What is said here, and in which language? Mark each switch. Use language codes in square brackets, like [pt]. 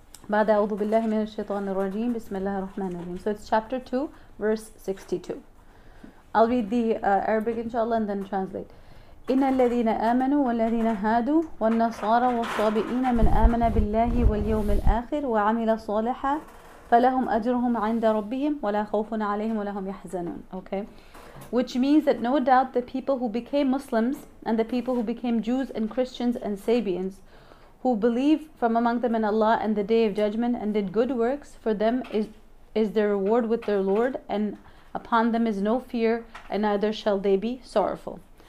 [ar] بعد أعوذ بالله من الشيطان الرجيم بسم الله الرحمن الرحيم. [en] So it's chapter 2, verse 62. I'll read the Arabic inshallah and then translate. [ar] إن الذين آمنوا والذين هادوا والنصارى والصابئين من آمن بالله واليوم الآخر وعمل صالحا فلهم أجرهم عند ربهم ولا خوف عليهم ولا هم يحزنون. [en] Okay, which means that no doubt the people who became Muslims and the people who became Jews and Christians and Sabians who believe from among them in Allah and the Day of Judgment and did good works, for them is their reward with their Lord, and upon them is no fear, and neither shall they be sorrowful.